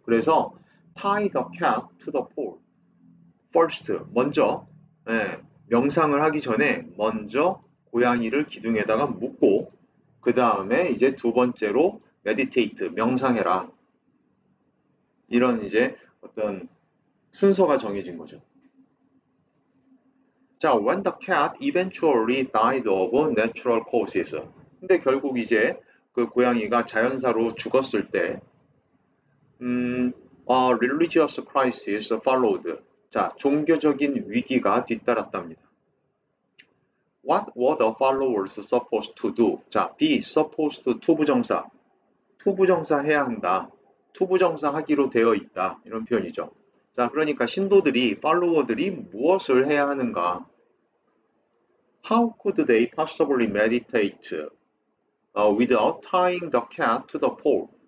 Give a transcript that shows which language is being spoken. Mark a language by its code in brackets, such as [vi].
[ko] 그래서 [en] tie the cat to the pole. First, [ko] 먼저, 명상을 하기 전에 먼저 고양이를 기둥에다가 묶고, 그 다음에 이제 두 번째로 meditate, 명상해라. 이런 이제 어떤 순서가 정해진 거죠. [en] 자, when the cat eventually died of natural causes. [ko] 근데 결국 이제 그 고양이가 자연사로 죽었을 때, [en] a religious crisis followed. [ko] 자, 종교적인 위기가 뒤따랐답니다. [en] What were the followers supposed to do? 자, be supposed to 투부정사. [ko] 투부정사 해야 한다. 투부정사 하기로 되어 있다. 이런 표현이죠. 자, 그러니까 신도들이, 팔로워들이 무엇을 해야 하는가? [en] How could they possibly meditate without tying the cat to the pole?